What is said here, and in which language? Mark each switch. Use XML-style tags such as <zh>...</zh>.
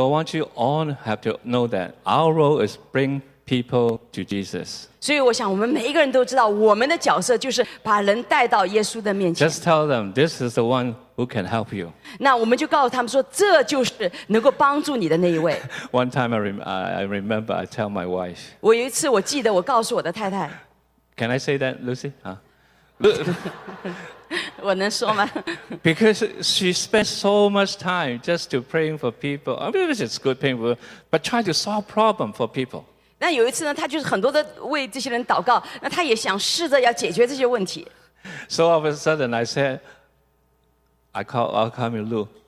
<en>I want you all have to know that our role is bring people to Jesus.</en> <zh>所以我想，我们每一个人都知道，我们的角色就是把人带到耶稣的面前。</zh> <en>Just tell them this is the one who can help you.</en> <zh>那我们就告诉他们说，这就是能够帮助你的那一位。</zh> <en>One time I remember I tell my wife.</en> <zh>我有一次我记得我告诉我的太太。</zh> <en>Can I say that, Lucy? Huh?</en> <zh>我能说吗？</zh> <en>Because she spent so much time just to praying for people. I mean, it's good praying, but trying to solve problems for people.</en> <zh>那有一次呢，他就是很多的为这些人祷告，那他也想试着要解决这些问题。</zh> <en>So all of a sudden, I said, I'll call you Lou.</en>